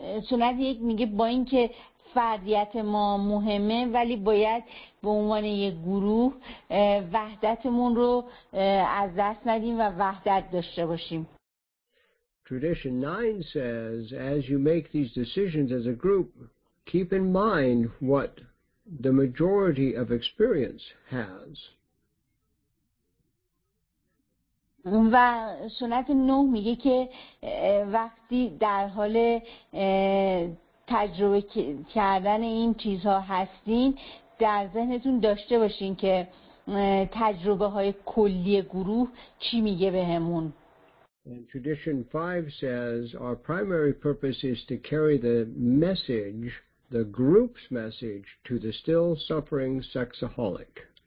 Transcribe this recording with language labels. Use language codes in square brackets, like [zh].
[fa] سنت یک میگه با اینکه فردیت ما مهمه ولی باید به عنوان یک گروه وحدتمون رو از دست ندیم و وحدت داشته باشیم. [en] Tradition 9 says, as you make these decisions as a group, keep in mind what the majority of experience has. [fa] و سنت نوح میگه که وقتی در حال تجربه کردن این چیزها هستین، در ذهنتون داشته باشین که تجربه های کلی گروه چی میگه بهمون. [en] And tradition 5 says our primary purpose is to carry the message, the group's message, to the still suffering sexaholic.